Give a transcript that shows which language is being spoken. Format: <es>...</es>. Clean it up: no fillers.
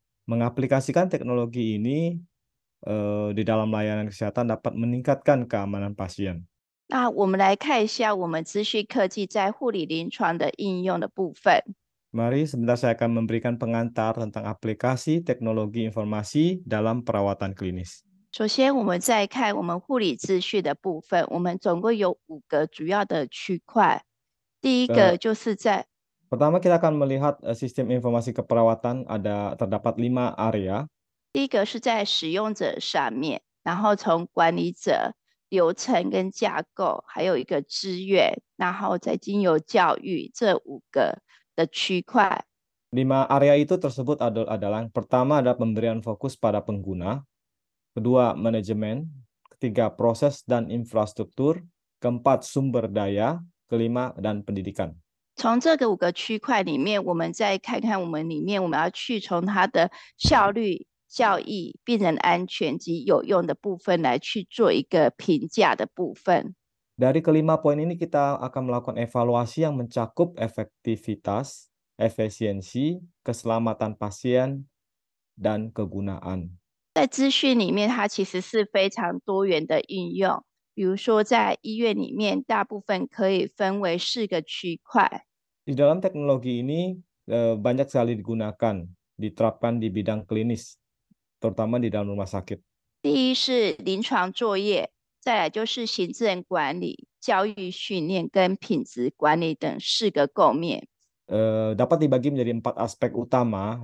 <id>Mengaplikasikan teknologi ini di dalam layanan kesehatan dapat meningkatkan keamanan pasien.</id> <zh>那我们来看一下我们资讯科技在护理临床的应用的部分。</zh> <id>Mari, sebentar saya akan memberikan pengantar tentang aplikasi teknologi informasi dalam perawatan klinis.</id> <zh>首先，我们再看我们护理资讯的部分，我们总共有五个主要的区块。第一个就是在</zh> <id>Pertama, kita akan melihat sistem informasi keperawatan terdapat 5 area.</id> <zh>第一个是在使用者上面，然后从管理者。流程跟架构，还有一个资源，然后再经由教育这五个的区块。</zh> <id>Lima area itu tersebut adalah yang pertama ada pemberian fokus pada pengguna, kedua manajemen, ketiga proses dan infrastruktur, keempat sumber daya, kelima dan pendidikan.</id> <zh>从这个五个区块里面，我们再看看我们里面我们要去从它的效率。效益、病人安全及有用的部分来去做一个评价的部分。</zh> <id>Dari kelima poin ini kita akan melakukan evaluasi yang mencakup efektivitas, efisiensi, keselamatan pasien, dan kegunaan.</id> <zh>在资讯里面，它其实是非常多元的应用。比如说，在医院里面，大部分可以分为四个区块。</zh> <id>Di dalam teknologi ini banyak sekali digunakan, diterapkan di bidang klinis, terutama di dalam rumah sakit.</id> <zh>第一是临床作业，再来就是行政管理、教育训练跟品质管理等四个构面。</zh> <id>Dapat dibagi menjadi empat aspek utama.</id>